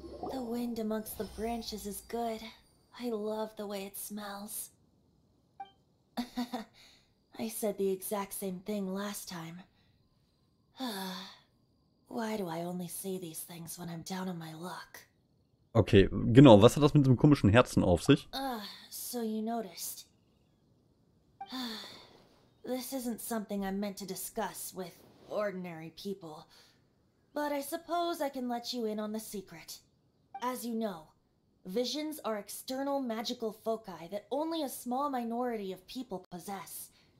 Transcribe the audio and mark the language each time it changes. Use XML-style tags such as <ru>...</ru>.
<en>The wind amongst the branches is good. I love the way it smells. I said the exact same thing last time. Why do I only say these things when I'm down on my luck?</en> <de>Okay, genau, was hat das mit dem komischen Herzen auf sich?</de> <en>So you noticed. This isn't something I'm meant to discuss with ordinary people. But I suppose I can let you in on the secret. As you know, visions are external magical foci that only a small minority of people possess.</en>